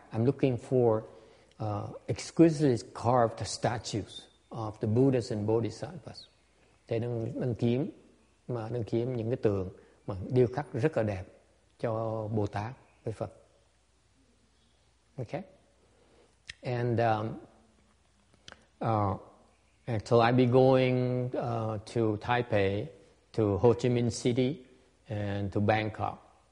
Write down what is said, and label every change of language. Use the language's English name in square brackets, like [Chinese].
[English] I'm looking for exquisitely carved statues of the Buddhas and Bodhisattvas. [Vietnamese] Thế đang kiếm những cái tượng mà điêu khắc rất là đẹp cho Bồ Tát với Phật. [English] Okay. And so I'll be going to Taipei, to Ho Chi Minh City, and to Bangkok.